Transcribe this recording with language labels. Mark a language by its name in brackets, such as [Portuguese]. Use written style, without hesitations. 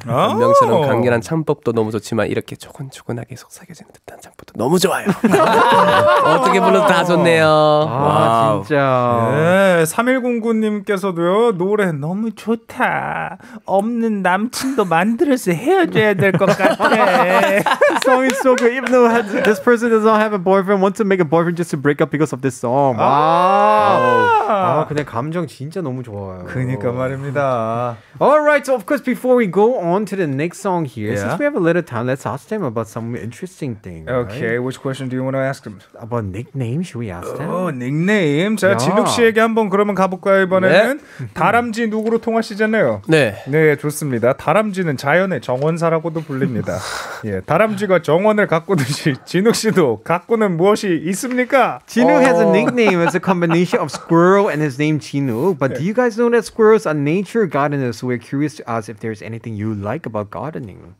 [Korean] 명처럼 강렬한 창법도 너무 좋지만 이렇게 조근조근하게 속삭여지는 듯한 창법도 너무 좋아요. 어떻게 불러도 다 좋네요. 아, 와우. 진짜. 네, 3109님께서도요. 노래 너무 좋다. 없는 남친 또 만들어서 헤어져야 될 것 같아. [English] Song is so good. Even though this person does not have a boyfriend, wants to make a boyfriend just to break up because of this song. [Korean] 아, 아, 근데 감정 진짜 너무 좋아요. 그러니까 말입니다. [English] Alright, so of course, before we go on to the next song here, yeah. since we have a little time, let's ask them about some interesting thing. Okay, right? which question do you want to ask them? About nickname, should we ask them? Oh, nickname. [Korean] 자, 진욱 씨에게 한번 그러면 가볼까요 이번에는 네? 다람쥐 누구로 통하시잖아요. 네, 네 좋습니다. 다람쥐는 자연의 정원사라고도 불립니다. 예, 다람쥐가 정원을 가꾸듯이 진욱 씨도 가꾸는 무엇이 있습니까? [English] 진욱 has a nickname. It's a combination of squirrel and his name Jinook. But [Korean] 네. [English] do you guys know that squirrels are nature gardeners? So we're curious to ask if there's anything you like about gardening.